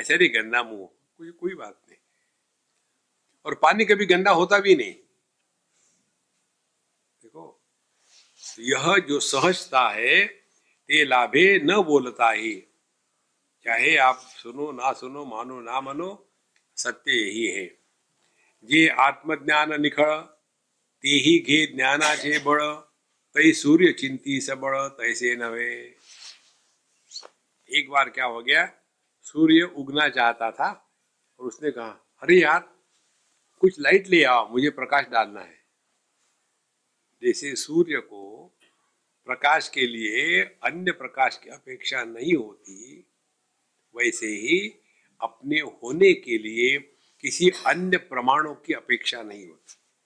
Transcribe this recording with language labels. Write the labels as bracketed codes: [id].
[hi] ऐसे नहीं गंदा मुंह, कोई कोई बात नहीं। और पानी कभी गंदा होता भी नहीं। देखो यह जो सहजता है, [mr] ते लाभे न बोलता ही, [hi] चाहे आप सुनो ना सुनो, मानो ना मानो, सत्य यही है। [mr] जे आत्मज्ञान निखळ, ते ही घे ज्ञानाचे बळ, तय सूर्य चिंती से बळ तैसे नवे। [hi] एक बार क्या हो गया, सूर्य उगना चाहता था और उसने कहा, अरे यार कुछ लाइट ले आओ, मुझे प्रकाश डालना है। जैसे सूर्य को प्रकाश के लिए अन्य प्रकाश की अपेक्षा नहीं होती, वैसे ही अपने होने के लिए किसी अन्य प्रमाणों की अपेक्षा नहीं होती।